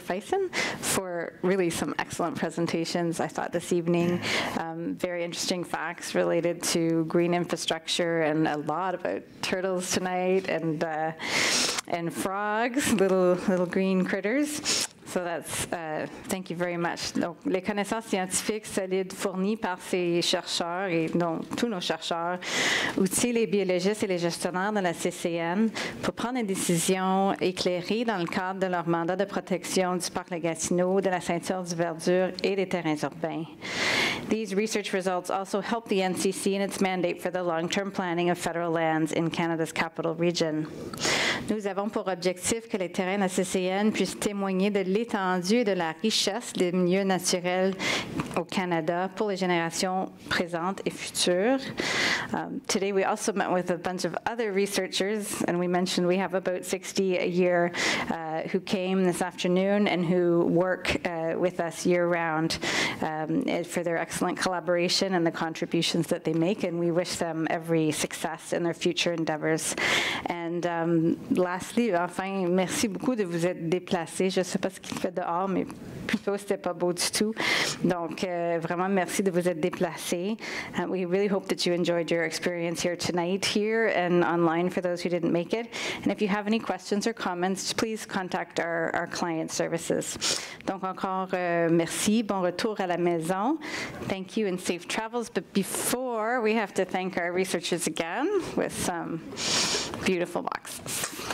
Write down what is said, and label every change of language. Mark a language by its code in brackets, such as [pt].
[en] Fison for really some excellent presentations, I thought, this evening. Very interesting facts related to green infrastructure and a lot about turtles tonight and frogs, little green critters. So that's, thank you very much. [fr] Donc, les connaissances scientifiques solides fournies par ces chercheurs, et donc tous nos chercheurs, outillent les biologistes et les gestionnaires de la CCN pour prendre des décisions éclairées dans le cadre de leur mandat de protection du parc de Gatineau, de la ceinture du verdure et des terrains urbains. [en] These research results also help the NCC in its mandate for the long-term planning of federal lands in Canada's capital region. [fr] Nous avons pour objectif que les terrains de la CCN puissent témoigner de l'étendue de la richesse des milieux naturels au Canada pour les générations présentes et futures. [en] Today we also met with a bunch of other researchers, and we mentioned we have about 60 a year who came this afternoon and who work with us year-round for their excellent collaboration and the contributions that they make, and we wish them every success in their future endeavors. And lastly, [fr] enfin, merci beaucoup de vous être déplacés. Je sais pas ce qu'il fait dehors, mais plutôt c'était pas beau du tout. Donc vraiment merci de vous être déplacés. [en] We really hope that you enjoyed your experience here tonight, here and online for those who didn't make it. And if you have any questions or comments, please contact our client services. [fr] Donc encore merci, bon retour à la maison. [en] Thank you and safe travels. But before, we have to thank our researchers again with some beautiful boxes.